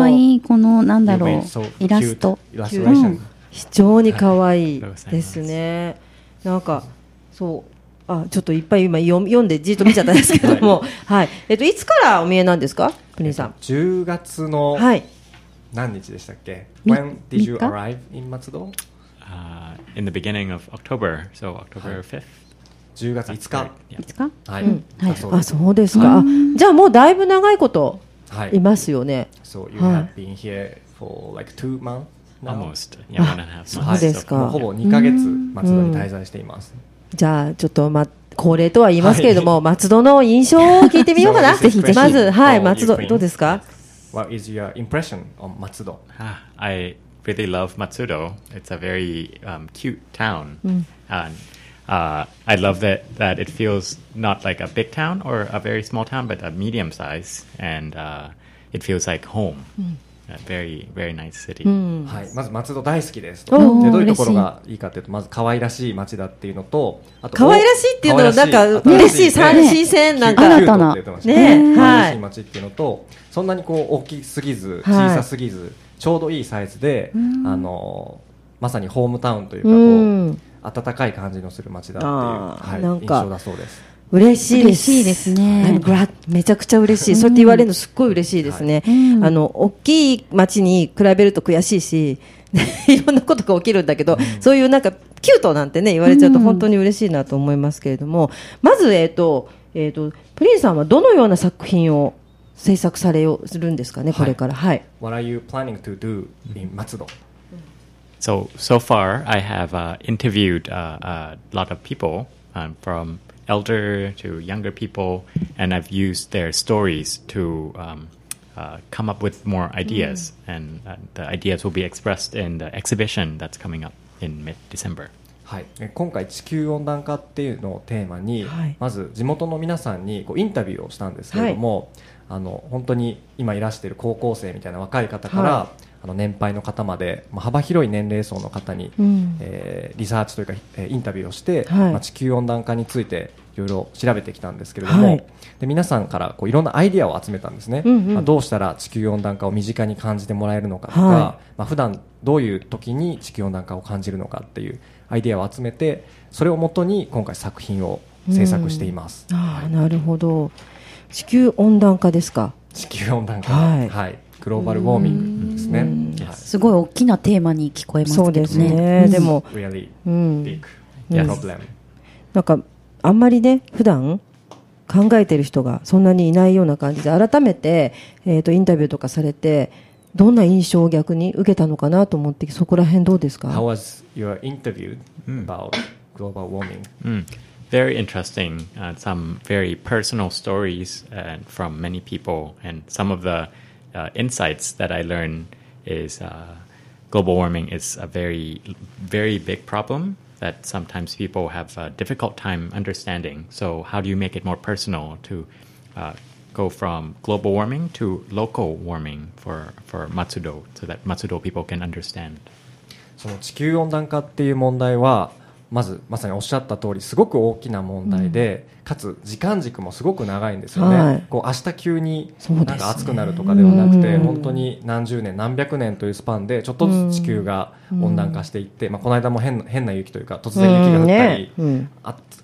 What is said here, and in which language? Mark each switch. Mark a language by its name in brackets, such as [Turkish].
[Japanese] かわいい、このなんだろう、イラスト、うん、非常にかわいいですね。なんかそう、あ、ちょっといっぱい今読んでじっと見ちゃったんですけども、はいはい、いつからお見えなんですか、プリンさん。 10月の何日でしたっけ、はい、 [English] When did you arrive in 松戸、 In the beginning of October, so October 5th、はい、 [Japanese] 10月5日、 [English] yeah. [Japanese] 5日、はい、うん、はい、あ、そうですか、うん、じゃあもうだいぶ長いこと、はい、いますよね。 [English] So you have been here for like 2 months now? Almost, yeah, one and a half [Japanese] months. そうですか。ほぼ2ヶ月松戸に滞在しています。じゃあちょっと、ま、恒例とは言いますけれども、はい、松戸の印象を聞いてみようかな。ぜひぜひ。まず、はい、松戸どうですか。 [English] What is your impression on 松戸？ I really love 松戸. It's a very cute town. I love it that it feels not like a big town or a very small town, but a medium size, and it feels like home. A very, very nice city. [Japanese] はい、まず松戸大好きですと。で、どういうところがいいかというと、まず可愛らしい街だっていうのと、あと可愛らしいっていうのはなんか嬉しい、三新鮮なんか新たな、ね、可愛らしい街っていうのと、そんなにこう大きすぎず小さすぎず、はい、ちょうどいいサイズで、まさにホームタウンというか、こう、温かい感じのする街だっていう、はい、印象だそうです。嬉しいです。嬉しいですね。めちゃくちゃ嬉しい。そうやって言われるのすっごい嬉しいですね。はい、大きい街に比べると悔しいし、いろんなことが起きるんだけど、うん、そういうなんかキュートなんてね言われちゃうと本当に嬉しいなと思いますけれども、うん、まずプリンさんはどのような作品を制作されようするんですかね、これから、はい。はい。 [English] What are you planning to do in 松戸？ So far, I have interviewed a lot of people, from elder to younger people, and I've used their stories to come up with more ideas, and the ideas will be expressed in the exhibition that's coming up in mid-December. [Japanese] はい、今回地球温暖化っていうのをテーマに、はい、まず地元の皆さんにこうインタビューをしたんですけれども、はい、本当に今いらしている高校生みたいな若い方から、はい、年配の方まで、まあ、幅広い年齢層の方に、うん、リサーチというか、インタビューをして、はい、まあ、地球温暖化についていろいろ調べてきたんですけれども、はい、で皆さんからこういろんなアイデアを集めたんですね、うんうん、まあ、どうしたら地球温暖化を身近に感じてもらえるのかとか、はい、まあ、普段どういう時に地球温暖化を感じるのかっていうアイデアを集めて、それをもとに今回作品を制作しています、うん、あ、なるほど。地球温暖化ですか。地球温暖化、はい、はい、グローバルウォーミングですね、すごい大きなテーマに聞こえますけどね。そうですね、でも、 [English] really big problem. [Japanese] なんかあんまりね普段考えてる人がそんなにいないような感じで、改めて、インタビューとかされてどんな印象を逆に受けたのかなと思って、そこら辺どうですか。 [English] How was your interview about global warming?、 Mm. Very interesting. Some very personal stories from many people, and some of theinsights that I learned is global warming is a very, very big problem that sometimes people have a difficult time understanding. So how do you make it more personal to go from global warming to local warming for Matsudo so that Matsudo people can understand? [Japanese] その地球温暖化っていう問題はまずまさにおっしゃった通りすごく大きな問題で、うん、かつ時間軸もすごく長いんですよね、はい、こう明日急になんか暑くなるとかではなくて、ね、本当に何十年何百年というスパンでちょっとずつ地球が温暖化していって、うんまあ、この間も変な雪というか突然雪が降ったり、うんね、暖